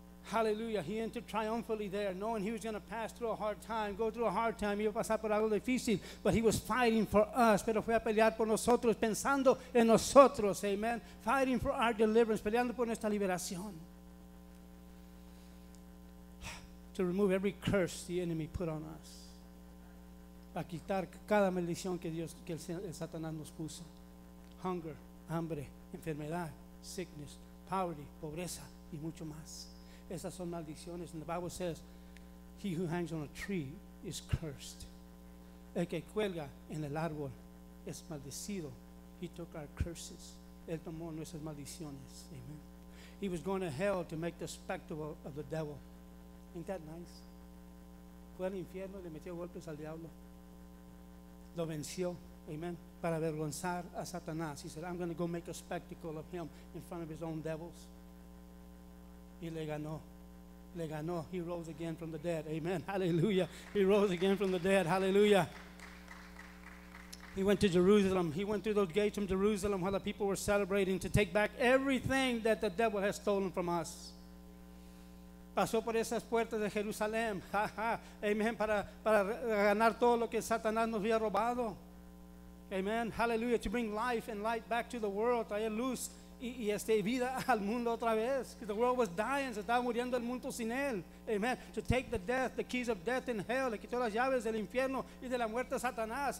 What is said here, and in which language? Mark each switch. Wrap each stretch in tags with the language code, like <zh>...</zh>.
<en>Hallelujah. He entered triumphantly there, knowing he was going to pass through a hard time, go through a hard time,</en> <es>iba a pasar por algo difícil,</es> <en>but he was fighting for us,</en> <es>pero fue a pelear por nosotros, pensando en nosotros,</es> <en>amen, fighting for our deliverance,</en> <es>peleando por nuestra liberación,</es> <en>to remove every curse the enemy put on us,</en> <es>para quitar cada maldición que Dios, que el Satanás nos puso,</es> <en>hunger,</en> <es>hambre, enfermedad,</es> <en>sickness, poverty,</en> <es>pobreza, y mucho más. Esas son maldiciones.</es> <en>And the Bible says, he who hangs on a tree is cursed.</en> <es>El que cuelga en el árbol es maldecido.</es> <en>He took our curses.</en> <es>Él tomó nuestras maldiciones.</es> <en>Amen. He was going to hell to make the spectacle of the devil. Ain't that nice?</en> <es>Fue al infierno y le metió golpes al diablo. Lo venció. Amen. Para avergonzar a Satanás.</es> <en>He said, I'm going to go make a spectacle of him in front of his own devils.</en> <es>Y le ganó. Le ganó.</es> <en>He rose again from the dead. Amen. Hallelujah. He rose again from the dead. Hallelujah. He went to Jerusalem. He went through those gates from Jerusalem while the people were celebrating to take back everything that the devil has stolen from us.</en> <es>Pasó por esas puertas de Jerusalén. Amen. Para ganar todo lo que Satanás nos había robado.</es> <en>Amen. Hallelujah. To bring life and light back to the world.</en> <es>Traer luz. Y este vida al mundo otra vez.</es> <en>The world was dying.</en> <es>Se estaba muriendo el mundo sin él. Amen.</es> <en>To take the death, the keys of death and hell.</en> <es>Le quitó las llaves del infierno y de la muerte a Satanás.</es>